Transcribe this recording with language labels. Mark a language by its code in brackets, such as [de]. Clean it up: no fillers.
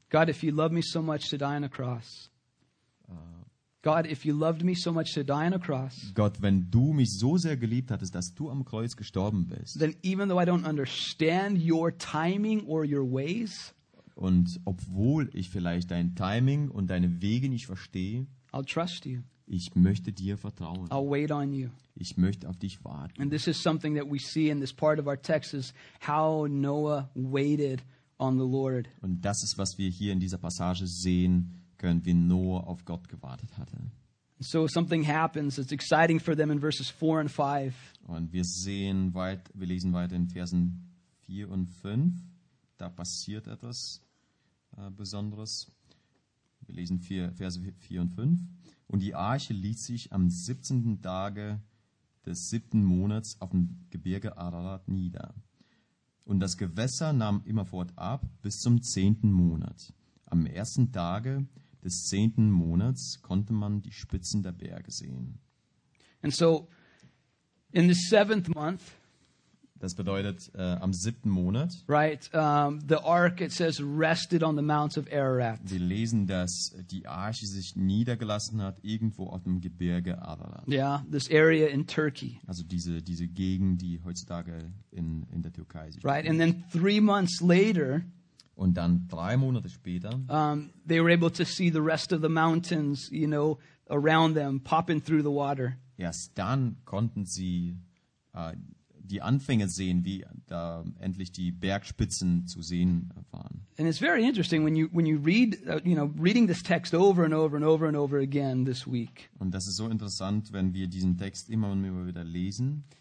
[en] God, if you love me so much to die on a cross. God, if you loved me so much to die on a cross. [de] Gott, wenn du mich so sehr geliebt hattest, dass du am Kreuz gestorben bist. [en] Then even though I don't understand your timing or your ways. [de] Und obwohl ich vielleicht dein Timing und deine Wege nicht verstehe, [en] I'll trust you. [de] Ich möchte dir vertrauen. [en] I'll wait on you. [de] Ich möchte auf dich warten. [en] And this is something that we see in this part of our text is how Noah waited on the Lord. [de] Und das ist, was wir hier in dieser Passage sehen können, wie Noah auf Gott gewartet hatte. [en] So something happens. It's exciting for them in verses 4 and 5. [de] Und wir sehen weiter, wir lesen weiter in Versen 4 und 5. Da passiert etwas Besonderes. Wir lesen Verse 4 und 5. Und die Arche ließ sich am 17. Tage des 7. Monats auf dem Gebirge Ararat nieder. Und das Gewässer nahm immerfort ab bis zum 10. Monat. Am 1. Tage des 10. Monats konnte man die Spitzen der Berge sehen. [en] And so, in the 7th month, [de] das bedeutet am 7. Monat. [en] Right, the ark, it says, rested on the mounts of Ararat. [de] Wir lesen, dass die Arche sich niedergelassen hat irgendwo auf dem Gebirge Ararat. [en] Yeah, this area in Turkey. [de] Also diese Gegend, die heutzutage in der Türkei sich. [en] Right, [de] befindet. [en] And then 3 months later. [de] Und dann 3 Monate später. [en] They were able to see the rest of the mountains, you know, around them popping through the water. [de] Erst dann konnten sie die Anfänge sehen, wie da endlich die Bergspitzen zu sehen waren. [en] And it's very interesting when you read, you know, reading this text over and over and over and over again this week. [de] Und das ist so interessant, wenn wir diesen Text immer und immer wieder lesen.